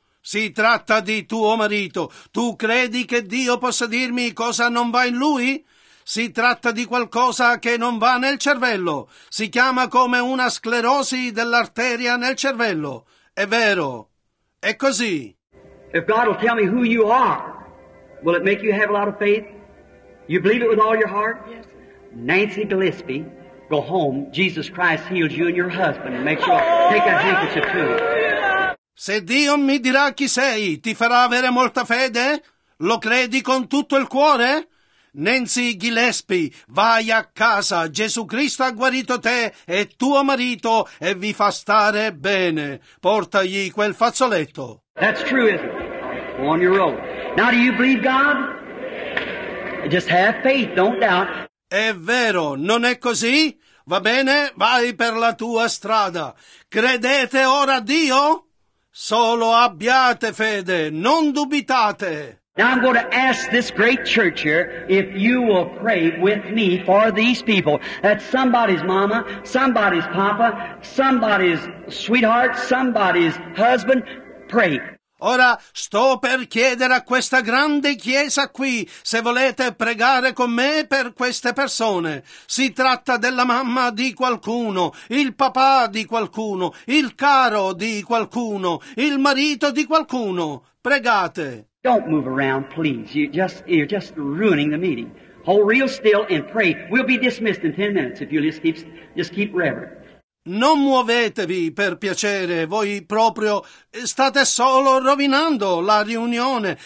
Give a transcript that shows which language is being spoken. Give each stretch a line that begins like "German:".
Italian: Si tratta di tuo marito. Tu credi che Dio possa dirmi cosa non va in lui? Si tratta di qualcosa che non va nel cervello. Si chiama come una sclerosi dell'arteria nel cervello. È vero. È così.
English: If God will tell me who you are, will it make you have a lot of faith? You believe it with all your heart? Yes, sir. Nancy Gillespie, go home. Jesus Christ heals you and your husband. Make sure. Take a handkerchief to him.
Italian: Se Dio mi dirà chi sei, ti farà avere molta fede? Lo credi con tutto il cuore? Nancy Gillespie, vai a casa. Gesù Cristo ha guarito te e tuo marito e vi fa stare bene. Portagli quel fazzoletto.
English: That's true, isn't it? On your road. Now, do you believe God? Just have faith, don't doubt.
Italian: È vero, non è così? Va bene, vai per la tua strada. Credete ora a Dio? Solo abbiate fede, non dubitate.
English: Now I'm going to ask this great church here if you will pray with me for these people. That's somebody's mama, somebody's papa, somebody's sweetheart, somebody's husband. Pray.
Italian: Ora sto per chiedere a questa grande chiesa qui se volete pregare con me per queste persone. Si tratta della mamma di qualcuno, il papà di qualcuno, il caro di qualcuno, il marito di qualcuno. Pregate.
English: Don't move around, please. You're just ruining the meeting. Hold real still and pray. We'll be dismissed in 10 minutes if you just keep reverent.
Italian: Non muovetevi, per piacere, voi proprio state solo rovinando la riunione.